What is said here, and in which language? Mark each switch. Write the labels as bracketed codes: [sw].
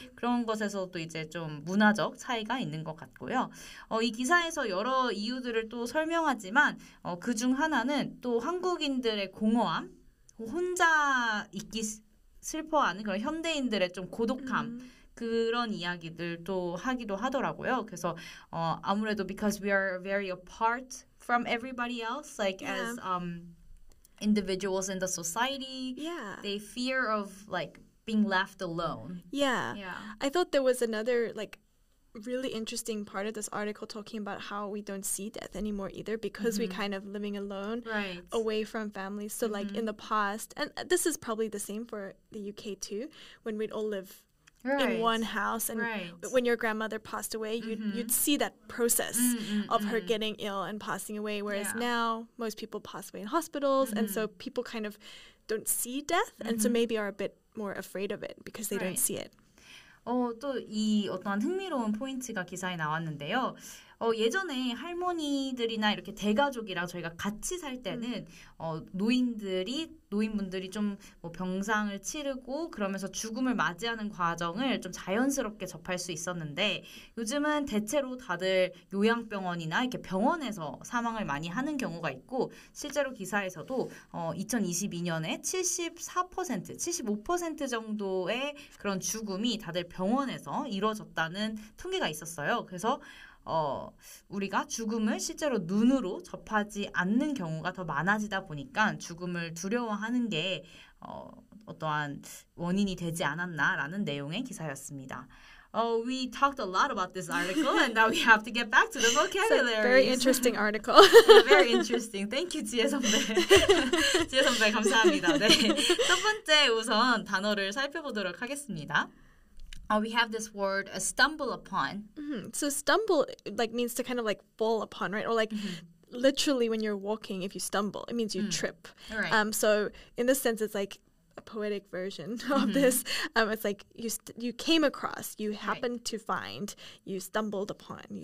[ko] 그런 것에서도 이제 좀 문화적 차이가 있는 것 같고요. 이 기사에서 여러 이유들을 또 설명하지만 그중 하나는 또 한국인들의 공허함, 혼자 있기 슬퍼하는 그런 현대인들의 좀 고독함 그런 이야기들도 하기도 하더라고요. 그래서 아무래도 [en] because we are very apart from everybody else, like as individuals in the society, they fear of like being left alone. I thought there was another like really interesting part of this article talking about how we don't see death anymore either because we kind of living alone, right, away from families. So like in the past, and this is probably the same for the UK too, when we'd all live in one house, and when your grandmother passed away, you'd see that process of her getting ill and passing away, whereas now most people pass away in hospitals, and so people kind of don't see death, and so maybe are a bit more afraid of it because they don't see it. [ko] 또 이 어떤 흥미로운 포인트가 기사에 나왔는데요. 예전에 할머니들이나 이렇게 대가족이랑 저희가 같이 살 때는 노인분들이 좀 뭐 병상을 치르고 그러면서 죽음을 맞이하는 과정을 좀 자연스럽게 접할 수 있었는데 요즘은 대체로 다들 요양병원이나 이렇게 병원에서 사망을 많이 하는 경우가 있고 실제로 기사에서도 2022년에 74%, 75% 정도의 그런 죽음이 다들 병원에서 이루어졌다는 통계가 있었어요. 그래서 우리가 죽음을 실제로 눈으로 접하지 않는 경우가 더 많아지다 보니까 죽음을 두려워하는 게 어떠한 원인이 되지 않았나라는 내용의 기사였습니다. [en] Oh, we talked a lot about this article, and now we have to get back to the vocabulary. It's a very interesting article. Yeah, very interesting. Thank you, 지혜 선배. 지혜 선배, [ko] 감사합니다. 네. 첫 번째 우선 단어를 살펴보도록 하겠습니다. [en] We have this word, stumble upon. Mm-hmm. So stumble like means to kind of like fall upon, right? Or like literally when you're walking, if you stumble, it means you trip. Right. So in this sense, it's like a poetic version of this. It's like you came across, you happened to find, you stumbled upon.